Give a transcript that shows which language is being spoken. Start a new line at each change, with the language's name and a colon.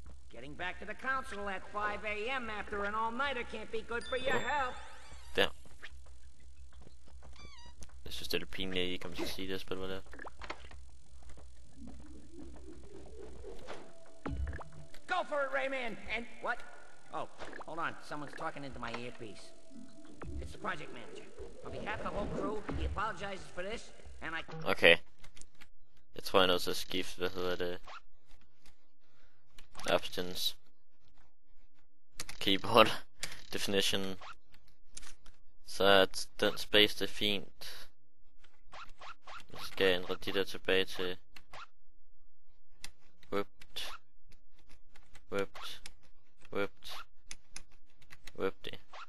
English: Getting back to the council at 5 a.m. after an all-nighter can't be good for your health.
Danish: Der. Jeg synes, det er lidt pinligt, at I kommer til at sige det, at spille mig der.
English: Go for it, Rayman! And what? Oh, hold on. Someone's talking into my earpiece. It's the project manager. On behalf of the whole crew, he apologizes for this, and I... Okay.
Danish: Jeg tror, jeg er nødt til at skifte, hvad hedder det?
English: Options. Keyboard. Definition.
Danish: Så at den space, det er fint. Så skal jeg ændre de der tilbage til whipped, whipped, whipped, whipped det.